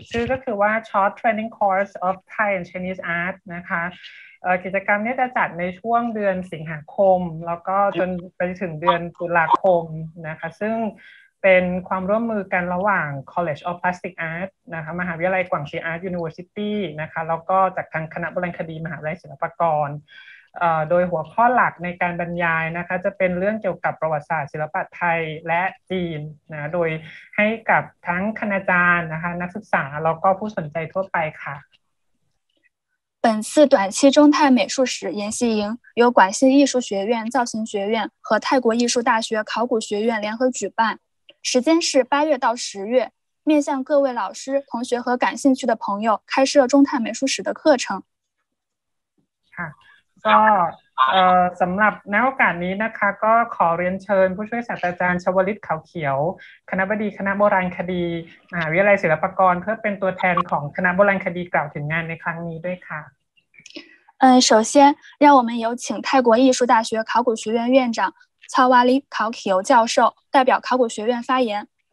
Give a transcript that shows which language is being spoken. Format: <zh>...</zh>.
<th>ก็คือว่า short training course of Thai and Chinese art นะคะกิจกรรมนี้จะจัดในช่วงเดือนสิงหาคมแล้วก็จนไปถึงเดือนตุลาคมนะคะซึ่งเป็นความร่วมมือกันระหว่าง College of Plastic Art นะคะมหาวิทยาลัยกวางชีอาร์ต University นะคะแล้วก็จากทางคณะบริหารคดีมหาวิทยาลัยศิลปากร โดยหัวข้อหลักในการบรรยายนะคะจะเป็นเรื่องเกี่ยวกับประวัติศาสตร์ศิลปะไทยและจีนนะโดยให้กับทั้งคณาจารย์นะคะนักศึกษาแล้วก็ผู้สนใจทั่วไปค่ะ</th> <zh>本次短期中泰美术史研习营由广西艺术学院造型学院和泰国艺术大学考古学院联合举办时间是八月到十月，面向各位老师、同学和感兴趣的朋友开设中泰美术史的课程。</zh> <th>ค่ะก็สำหรับในโอกาสนี้นะคะก็ขอเรียนเชิญผู้ช่วยศาสตราจารย์ชวลิตขาวเขียวคณบดีคณะโบราณคดีมหาวิทยาลัยศิลปากรเพื่อเป็นตัวแทนของคณะโบราณคดีกล่าวถึงงานในครั้งนี้ด้วยค่ะ</th> <zh>首先让我们有请泰国艺术大学考古学院院长。乔瓦里考奇尤教授代表考古学院发言。</zh>